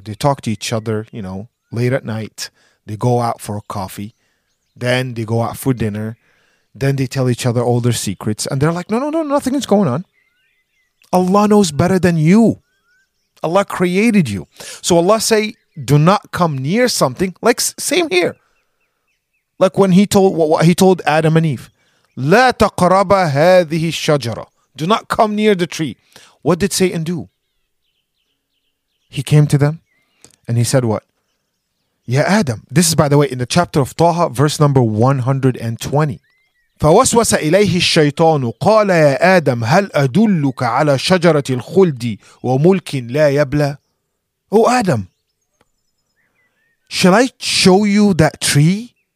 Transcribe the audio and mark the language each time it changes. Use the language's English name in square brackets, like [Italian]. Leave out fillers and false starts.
[English] They talk to each other, you know, late at night. They go out for a coffee. Then they go out for dinner. Then they tell each other all their secrets. And they're like, no, no, no, nothing is going on. Allah knows better than you. Allah created you. So Allah say, do not come near something. Like, same here. Like when he told Adam and Eve, [Arabic] لا تقرب هذه الشجرة. [English] Do not come near the tree. What did Satan do? He came to them and he said what? Ya Adam. This is, by the way, in the chapter of Taha, verse number 120. [Arabic] فوسوس إليه الشيطان قال يا آدم هل أدلك على شجرة الخلد وملك لا يبلى؟ [English] Oh Adam, shall I show you that tree?